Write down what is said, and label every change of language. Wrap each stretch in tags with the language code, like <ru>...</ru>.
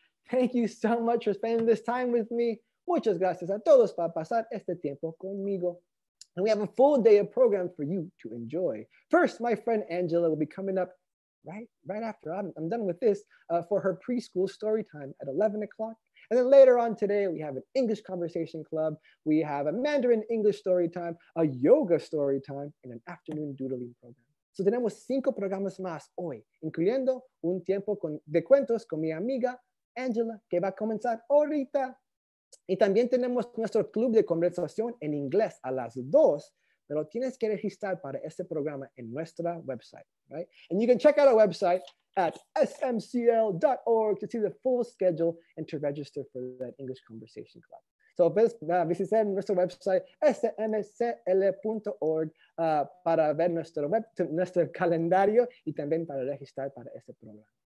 <en>Thank you so much for spending this time with me.</en> <es>Muchas gracias a todos para pasar este tiempo conmigo.</es> <en>And we have a full day of program for you to enjoy. First, my friend Angela will be coming up right after I'm done with this for her preschool story time at 11 o'clock. And then later on today, we have an English conversation club. We have a Mandarin English story time, a yoga story time, and an afternoon doodling program.</en> <es>So tenemos cinco programas más hoy, incluyendo un tiempo de cuentos con mi amiga Angela, que va a comenzar ahorita. Y también tenemos nuestro club de conversación en inglés a las dos, pero tienes que registrar para este programa en nuestra website, right?</es> <en>And you can check out our website at smcl.org to see the full schedule and to register for that English Conversation Club. So visit</en> <es>nuestro website, smcl.org, para ver nuestro calendario y también para registrar para este programa.</es>